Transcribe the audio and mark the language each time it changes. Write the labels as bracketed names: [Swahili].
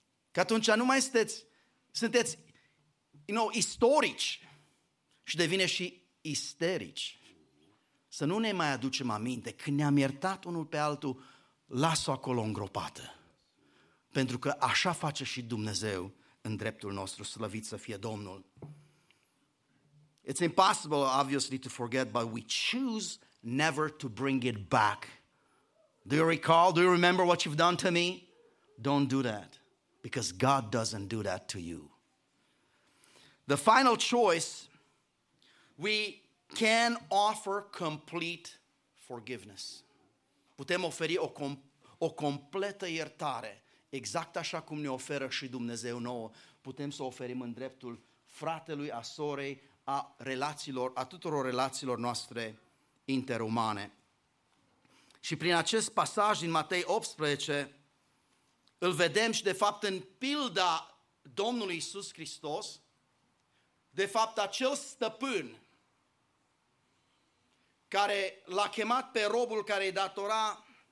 [Romanian] Că atunci nu mai sunteți you know, istorici și devine și isterici. Să nu ne mai aducem aminte. Când ne-am iertat unul pe altul, las-o acolo îngropată. pentru că așa face și Dumnezeu în dreptul nostru, slăvit să fie Domnul. [English] It's impossible, obviously, to forget, but we choose never to bring it back. Do you recall? Do you remember what you've done to me? Don't do that, because God doesn't do that to you. The final choice, we can offer complete forgiveness. [Romanian] Putem oferi o completă iertare, exact așa cum ne oferă și Dumnezeu nouă. Putem să oferim în dreptul fratelui, a sorei, a relațiilor, a tuturor relațiilor noastre interumane. Și prin acest pasaj din Matei 18, îl vedem și de fapt în pilda Domnului Iisus Hristos, de fapt acel stăpân care l-a chemat pe robul care îi datora...